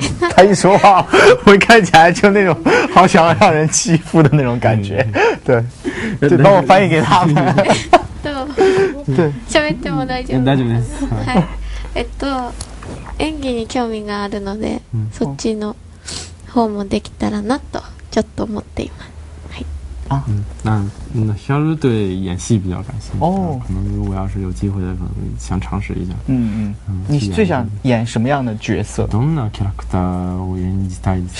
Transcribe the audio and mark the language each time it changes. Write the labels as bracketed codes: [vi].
[zh] 他一说话会看起来就那种好想要让人欺负的那种感觉。对，就帮我翻译给他们。 [ja] 喋っても大丈夫大丈夫です、はい、演技に興味があるので、うん、そっちの方もできたらなとちょっと思っています。 [zh] 那那小鹿对演戏比较感兴趣、可能如果要是有机会的可能想尝试一下。你最想演什么样的角色？ [ja] どんなキャラクターを演じたいですか？